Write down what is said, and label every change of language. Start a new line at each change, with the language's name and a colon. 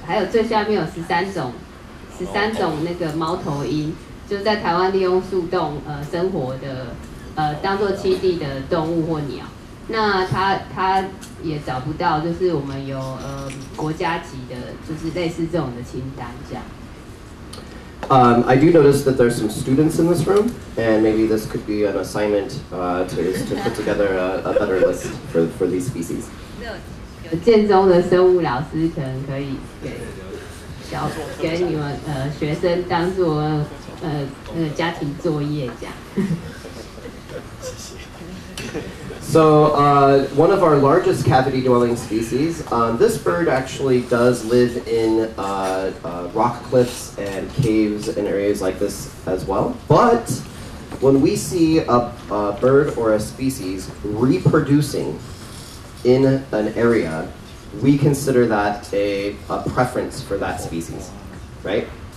Chinese: 还有最下面有十三种那个猫头鹰，就在台湾利用树洞生活的当作栖地的动物或鸟。那它也找不到，就是我们有国家级的，就是类似这种的清单这样。
English: I do notice that there's some students in this room, and maybe this could be an assignment to put together a better list for these species.
Chinese: 有建中的生物老师可能可以给你们学生当做家庭作业这样。
English: So one of our largest cavity-dwelling species, this bird actually does live in rock cliffs and caves and areas like this as well. But when we see a bird or a species reproducing in an area, we consider that a preference for that species, right?